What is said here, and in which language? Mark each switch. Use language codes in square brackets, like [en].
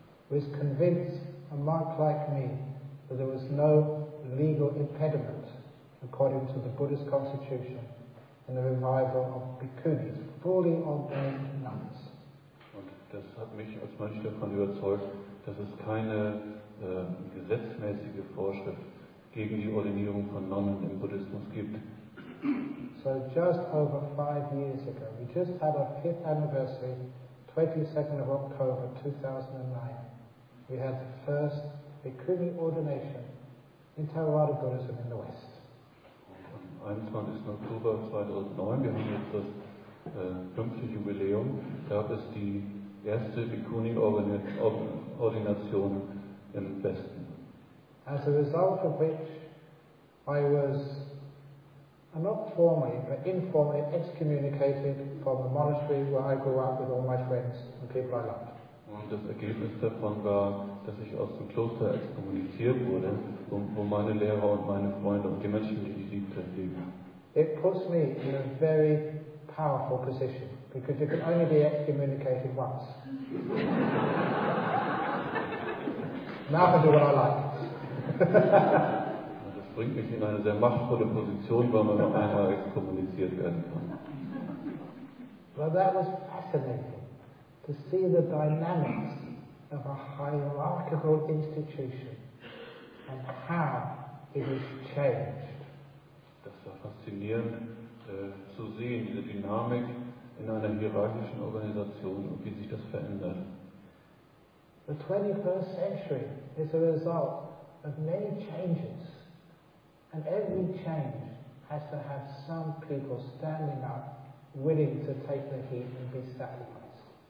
[en] Was convinced a monk like me that there was no legal impediment, according to the Buddhist constitution, in the revival of bhikkhunis, fully ordained nuns. [de] Und das hat mich als Mönch davon überzeugt, dass es keine gesetzmäßige Vorschrift gegen die Ordinierung von Nonnen im Buddhismus gibt. [en] So just over 5 years ago, we just had our 5th anniversary, 22nd of October 2009, we had the first bhikkhuni ordination in Theravada Buddhism in the West. [de] Am 21. Oktober 2009, wir haben jetzt das 5. Jubiläum, gab es die erste bhikkhuni-Ordination im Westen. [en] As a result of which I was not formally, but informally excommunicated from the monastery where I grew up with all my friends and people I loved. [de] Und das Ergebnis davon war, dass ich aus dem Kloster exkommuniziert wurde, wo meine Lehrer und meine Freunde und die Menschen, die ich liebte, leben. [en] It puts me in a very powerful position, because you can only be excommunicated once. Now I can do what I like. [de] Das bringt mich in eine sehr machtvolle Position, weil man noch einmal exkommuniziert werden kann. [en] Well, that was fascinating to see the dynamics of a hierarchical institution and how it has changed. [de] Das war faszinierend zu sehen, diese Dynamik in einer hierarchischen Organisation und wie sich das verändert. [en] The 21st century is a result of many changes, and every change has to have some people standing up, willing to take the heat and be sacrificed.